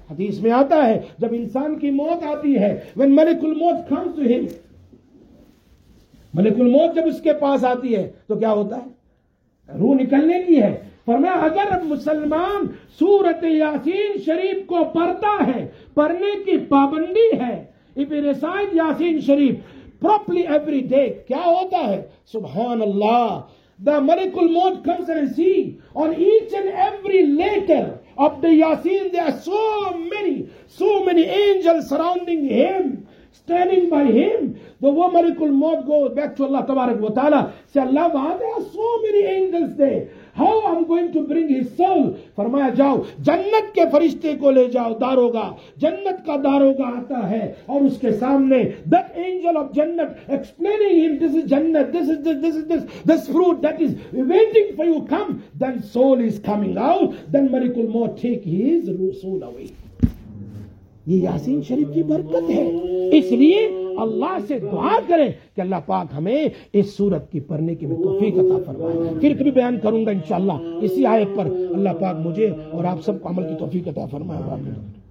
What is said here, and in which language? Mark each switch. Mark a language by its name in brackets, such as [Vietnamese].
[Urdu] حدیث میں آتا ہے جب انسان کی موت آتی ہے، [English] when ملک الموت comes to him، [Urdu] ملک الموت جب اس کے پاس آتی ہے تو کیا ہوتا ہے؟ روح نکلنے کی ہے. فرمایا اگر مسلمان سورت یاسین شریف کو پڑھتا ہے، پڑھنے کی پابندی ہے، [English] if he recites یاسین شریف properly every day, [Urdu] کیا ہوتا ہے؟ سبحان اللہ. [English] The ملک الموت comes and see on each and every letter of the Yasin, there are so many angels surrounding him, standing by him. The وہ ملک الموت goes back to Allah تبارک و تعالی, say Allah, there are so many angels there. How I'm going to bring his soul? [Urdu] فرمایا جاؤ جنت کے فرشتے کو لے جاؤ. داروگا جنت کا داروگا آتا ہے اور اس کے سامنے [English] that angel of جنت explaining him this is جنت, this fruit that is waiting for you, come. Then soul is coming out, then miracle more take his soul away. [Urdu] یہ یاسین شریف کی برکت ہے. اس لیے اللہ سے دعا کریں کہ اللہ پاک ہمیں اس سورت کی پڑھنے کی توفیق عطا فرمائے. پھر کبھی بیان کروں گا انشاءاللہ اسی آیت پر. اللہ پاک مجھے اور آپ سب کو عمل کی توفیق عطا فرمائے.